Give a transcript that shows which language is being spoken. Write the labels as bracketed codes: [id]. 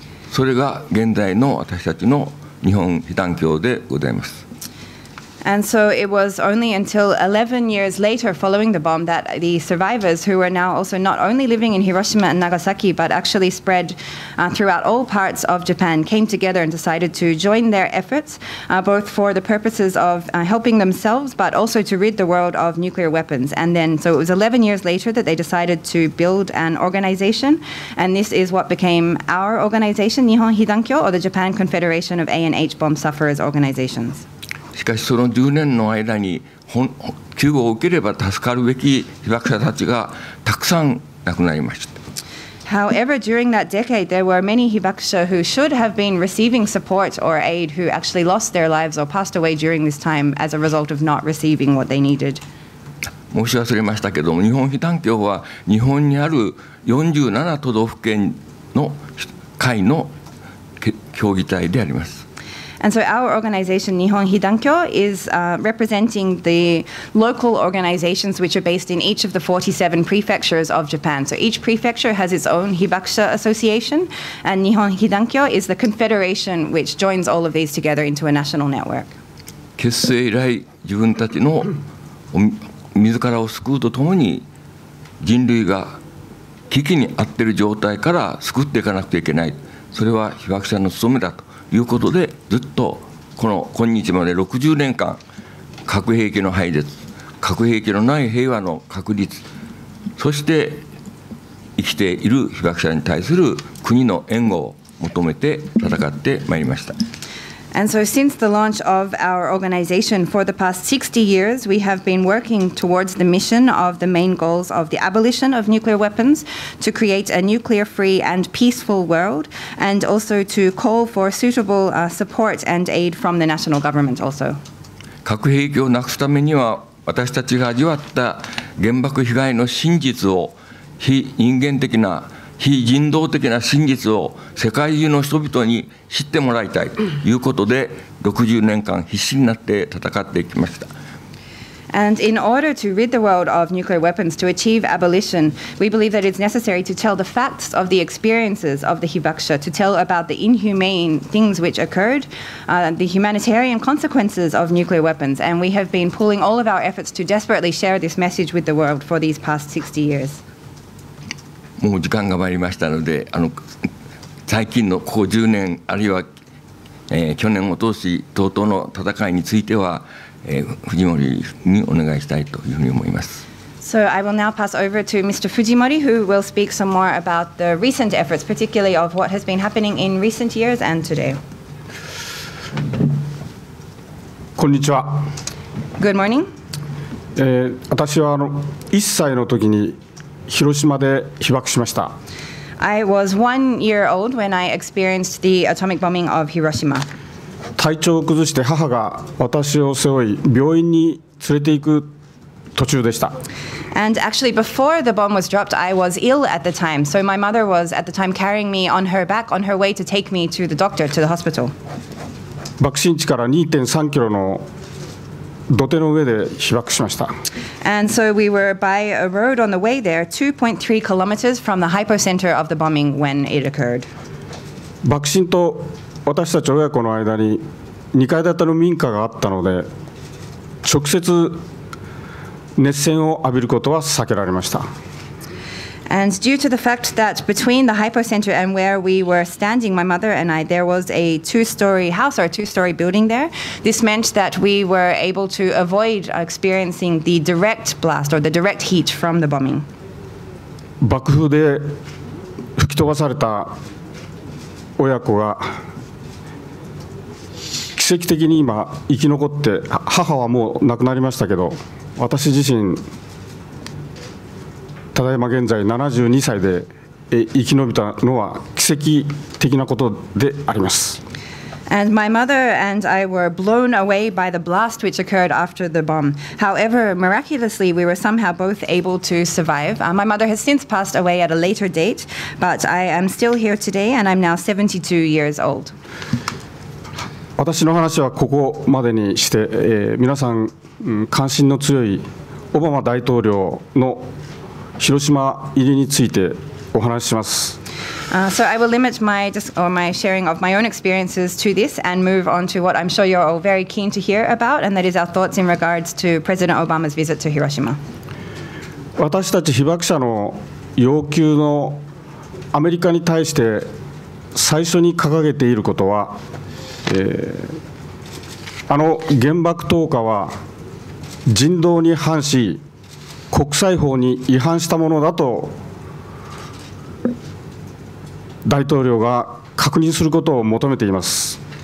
[ja] それが現在の私たちの日本被団協でございます。 [en] And so it was only until 11 years later following the bomb that the survivors who were now also not only living in Hiroshima and Nagasaki but actually spread throughout all parts of Japan came together and decided to join their efforts both for the purposes of helping themselves but also to rid the world of nuclear weapons. And then so it was 11 years later that they decided to build an organization and this is what became our organization, Nihon Hidankyo or the Japan Confederation of A&H Bomb Sufferers Organizations. [ja] しかしその10年の間に救護を受ければ助かるべき被爆者たちがたくさん亡くなりました。 [en] However, during that decade, there were many Hibakusha who should have been receiving support or aid who actually lost their lives or passed away during this time as a result of not receiving what they needed. [ja] 申し忘れましたけども、日本被団協は日本にある47都道府県の会の協議体であります。 [en] And so our organization, Nihon Hidankyo, is representing the local organizations which are based in each of the 47 prefectures of Japan. So each prefecture has its own Hibakusha association, and Nihon Hidankyo is the confederation which joins all of these together into a national network. [ja] 結成以来、自分たちの自らを救うとともに、人類が危機に遭っている状態から救っていかなくてはいけない。それは被爆者の務めだと。いうことでずっとこの今日まで60年間核兵器の廃絶、核兵器のない平和の確立、そして生きている被爆者に対する国の援護を求めて戦ってまいりました。 [en] And so since the launch of our organization for the past 60 years, we have been working towards the mission of the main goals of the abolition of nuclear weapons, to create a nuclear-free and peaceful world, and also to call for suitable support and aid from the national government also. [ja] 核兵器をなくすためには、私たちが味わった原爆被害の真実を非人間的な非人道的な真実を世界中の人々に知ってもらいたいということで60年間必死になって戦っていきました。 [en] And in order to rid the world of nuclear weapons, to achieve abolition, we believe that it's necessary to tell the facts of the experiences of the Hibakusha, to tell about the inhumane things which occurred, the humanitarian consequences of nuclear weapons. And we have been pulling all of our efforts to desperately share this message with the world for these past 60 years. [ja] もう時間が参りましたので、最近のここ10年、あるいは、去年を通し、等々の戦いについては、Fujimori にお願いしたいというふうに思います。 [en] So I will now pass over to Mr. Fujimori, who will speak some more about the recent efforts, particularly of what has been happening in recent years and today. [ja] こんにちは。 [en] Good morning. [ja] 私は1歳の時に広島で被爆しました。 [en] I was 1 year old when I experienced the atomic bombing of Hiroshima. [ja] 体調を崩して母が私を背負い病院に連れて行く途中でした。 [en] And actually before the bomb was dropped, I was ill at the time. So my mother was at the time carrying me on her back on her way to take me to the doctor, to the hospital. [ja] 爆心地から2.3キロの土手の上で被爆しました。 [en] And so we were by a road on the way there, 2.3 kilometers from the hypocenter of the bombing when it occurred. [ja] 爆心と私たち親子の間に2階建ての民家があったので、直接熱線を浴びることは避けられました。 [en] And due to the fact that between the hypocenter and where we were standing, my mother and I, there was a two-story house or a two-story building there. This meant that we were able to avoid experiencing the direct blast or the direct heat from the bombing. [ja] 爆風で吹き飛ばされた親子が奇跡的に今生き残って、母はもう亡くなりましたけど、私自身ただいま現在72歳で生き延びたのは奇跡的なことであります。 [en] And my mother and I were blown away by the blast which occurred after the bomb. However, miraculously, we were somehow both able to survive. My mother has since passed away at a later date, but I am still here today and I'm now 72 years old. [ja] 私の話はここまでにして、皆さん関心の強いオバマ大統領の広島入りについてお話しします。 [en] So I will limit my sharing of my own experiences to this and move on to what I'm sure you're all very keen to hear about, and that is our thoughts in regards to President Obama's visit to Hiroshima. [ja] 私たち被爆者の要求のアメリカに対して最初に掲げていることは、あの原爆投下は人道に反し、国際法に違反したものだと大統領が確認することを求めています。